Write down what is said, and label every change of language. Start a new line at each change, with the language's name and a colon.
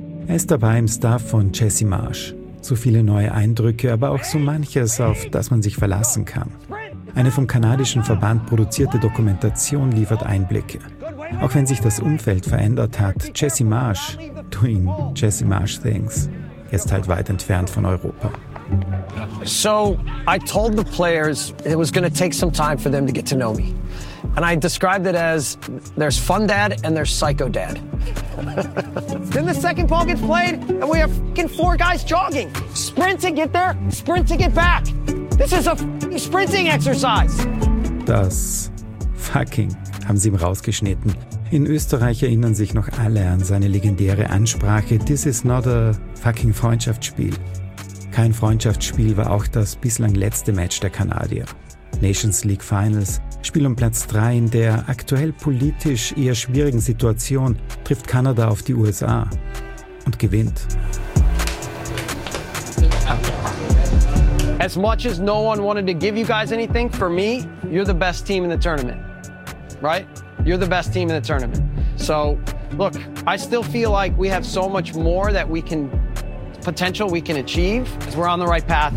German: Er ist dabei im Staff von Jesse Marsch. So viele neue Eindrücke, aber auch so manches, auf das man sich verlassen kann. Eine vom kanadischen Verband produzierte Dokumentation liefert Einblicke. Auch wenn sich das Umfeld verändert hat, Jesse Marsh,
English: doing Jesse Marsh things,
German: jetzt halt weit entfernt von Europa.
English: So, I told the players it was going to take some time for them to get to know me. And I described it as, there's fun dad and there's psycho dad. Then the second ball gets played and we have f***ing four guys jogging. Sprint to get there, sprint to get back. This is a f***ing sprinting exercise.
German: Das fucking haben sie ihm rausgeschnitten. In Österreich erinnern sich noch alle an seine legendäre Ansprache,
English: this is not a fucking
German: Freundschaftsspiel. Kein Freundschaftsspiel war auch das bislang letzte Match der Kanadier. Nations League Finals, Spiel um Platz 3 in der aktuell politisch eher schwierigen Situation, trifft Kanada auf die USA und gewinnt.
English: As much as no one wanted to give you guys anything, for me, you're the best team in the tournament, right? You're the best team in the tournament. So, look, I still feel like we have so much more that we can, potential we can achieve. We're on the right path.